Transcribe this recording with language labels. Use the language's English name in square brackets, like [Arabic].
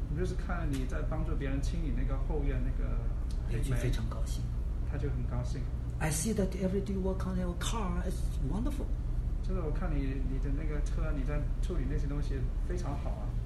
[Chinese] 你就是看你在帮助别人清理那个后院那个黑莓，非常高兴。他就很高兴。 [English] I see that every day you work on your car, it's wonderful. [Chinese] 就是我看你的那个车，你在处理那些东西非常好啊。